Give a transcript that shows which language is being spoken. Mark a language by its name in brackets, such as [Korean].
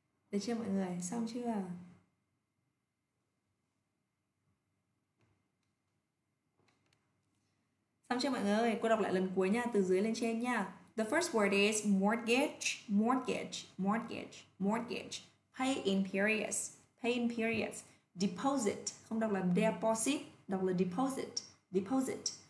[Vietnamese] Được chưa mọi người? Xong chưa? Xong chưa mọi người? Cô đọc lại lần cuối nha, từ dưới lên trên nha. [English] The first word is mortgage, mortgage, mortgage, mortgage. Pay in periods, deposit, [Vietnamese] không đọc là [English] deposit, đọc là deposit, deposit.